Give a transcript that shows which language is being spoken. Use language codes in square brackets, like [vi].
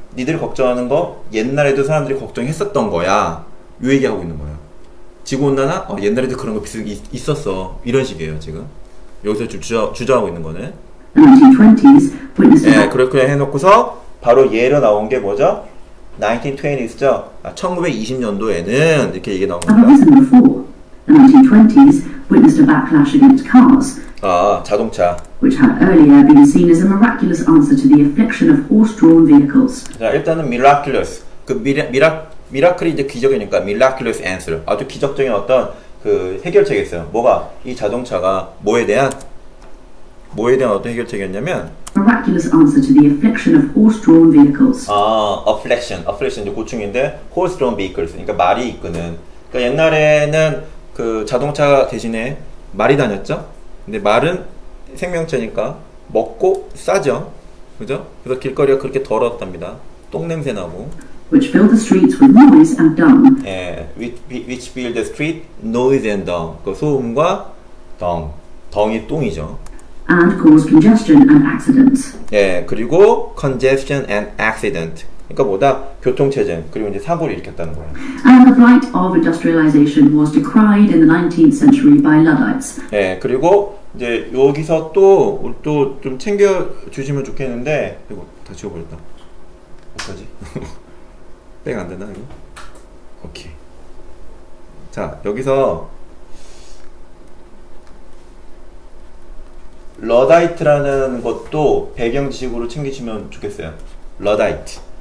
[ko] 니들 걱정하는 거 옛날에도 사람들이 걱정했었던 거야. 요 얘기하고 있는 거야. 지구온난화? 옛날에도 그런 거 비슷하게 있었어. 이런 식이에요, 지금. 여기서 주장하고 있는 거는. [en] 1920s. [ko] 예, 그렇게 그냥 해놓고서 바로 예로 나온 게 뭐죠? 1920s죠? 1920년도에는 이렇게 얘기 나온 겁니다. [en] 1920s witnessed a backlash against cars. [ko] 자동차. [en] Which had earlier been seen as a miraculous answer to the affliction of horse-drawn vehicles. [ko] 자, 일단은 miraculous. 그 미라클이 이제 기적이니까 [en] miraculous answer. [ko] 아주 기적적인 어떤 그 해결책이 있어요. 뭐가? 이 자동차가 뭐에 대한? 뭐에 대한 어떤 해결책이었냐면 [en] miraculous answer to the affliction of horse-drawn vehicles. [ko] Affliction 이제 고충인데 [en] horse-drawn vehicles [ko] 그러니까 말이 이끄는. 그러니까 옛날에는 그 자동차 대신에 말이 다녔죠. 근데 말은 생명체니까 먹고 싸죠. 그죠? 그래서 길거리가 그렇게 더러웠답니다. 똥 냄새 나고. [en] Which filled the streets with noise and dung. 예, which filled the street noise and dung. [ko] 그 소음과 dung. 덩이 똥이죠. [en] And cause congestion and accidents. [ko] 예, 그리고 [en] congestion and accident. [ko] 그러니까 뭐다? 교통 체증 그리고 이제 사고를 일으켰다는 거예요. [en] And the blight of industrialization was decried in the 19th century by Luddites. [ko] 예, 그리고 이제 여기서 또 좀 챙겨 주시면 좋겠는데 이거 다 지워버렸다. 어떡하지? 빼가 안 되나 이거? 오케이. 자, 여기서 러다이트라는 것도 배경 지식으로 챙기시면 좋겠어요. 러다이트.